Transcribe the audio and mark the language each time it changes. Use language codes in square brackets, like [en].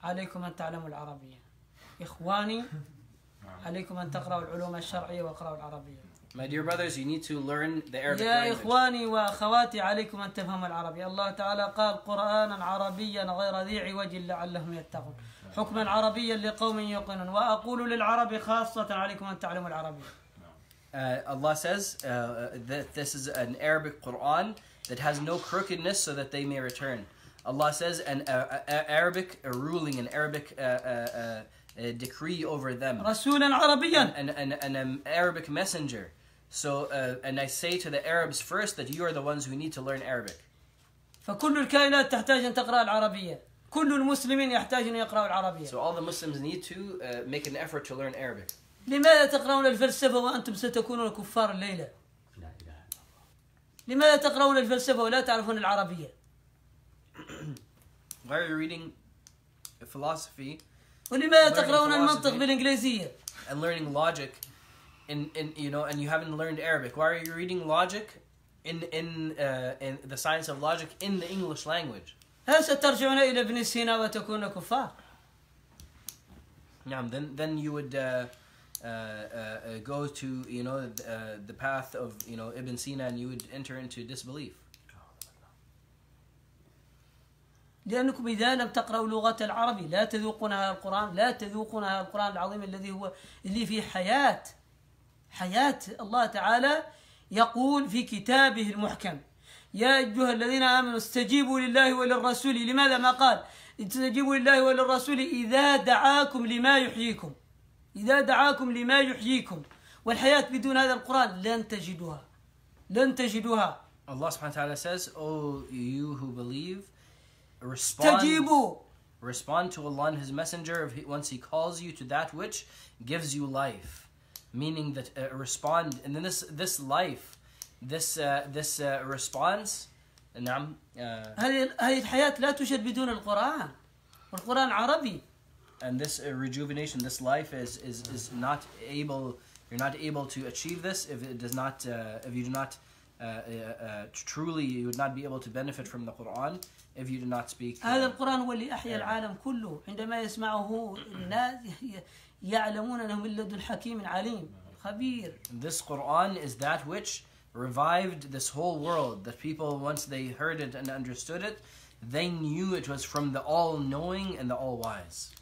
[ar] عليكم أن تعلموا العربية. إخواني. عليكم أن تقرأوا العلوم الشرعية وقرأوا العربية. [en] My dear brothers, you need to learn the Arabic language. [ar] يا إخواني وأخواتي عليكم أن تفهموا العربي. الله تعالى قال قرآنا عربيا غير ذي عوج لعلهم يتقون. حكما عربيا لقوم يوقنون. وأقول للعرب خاصة عليكم أن تعلموا العربي. [en] Allah says that this is an Arabic Quran that has no crookedness so that they may return. Allah says an Arabic ruling, an Arabic decree over them. [ar] رسولا عربيا. [en] And an Arabic messenger. So, and I say to the Arabs first that you are the ones who need to learn Arabic. [ar] فكل الكائنات تحتاج أن تقرأ العربية. كل المسلمين يحتاج أن يقرأوا العربية. [en] So all the Muslims need to make an effort to learn Arabic. [ar] لماذا تقرأون الفلسفة وأنتم ستكونون كفار الليلة؟ لا إله إلا الله. لماذا تقرأون الفلسفة ولا تعرفون العربية؟ [en] Why are you reading philosophy? [ar] ولماذا تقرأون المنطق بالإنجليزية؟ [en] And learning logic. And you haven't learned Arabic. Why are you reading logic in the science of logic in the English language? [ar] هل سترجعون إلى ابن سينا وتكون كفار؟ نعم. [en] Then you would go to the path of Ibn Sina and you would enter into disbelief. [ar] لأنكم إذا لم تقرأوا لغة العربي لا تذوقون هذا القرآن لا تذوقون هذا القرآن العظيم الذي هو اللي فيه حياة. حياة الله تعالى يقول في كتابه المحكم يا أيها الذين آمنوا استجيبوا لله وللرسول. لماذا ما قال استجيبوا لله وللرسول إذا دعاكم لما يحييكم إذا دعاكم لما يحييكم. والحياة بدون هذا القرآن لن تجدوها. الله سبحانه وتعالى [en] says, oh you who believe, [ar] استجيبوا. [en] Respond to Allah and His Messenger if once He calls you to that which gives you life. Meaning that respond, and then this life, this response, نعم. [ar] هذه الحياة لا توجد بدون القرآن، والقرآن عربي. [en] And this rejuvenation, this life is not able. You're not able to achieve this if it does not. If you do not truly, you would not be able to benefit from the Quran if you do not speak. [ar] هذا القرآن هو اللي أحيا العالم كله عندما يسمعه الناس. يعلمون أنهم لدن حكيم عليم خبير. [en] This Quran is that which revived this whole world. That people once they heard it and understood it, they knew it was from the all-knowing and the all-wise.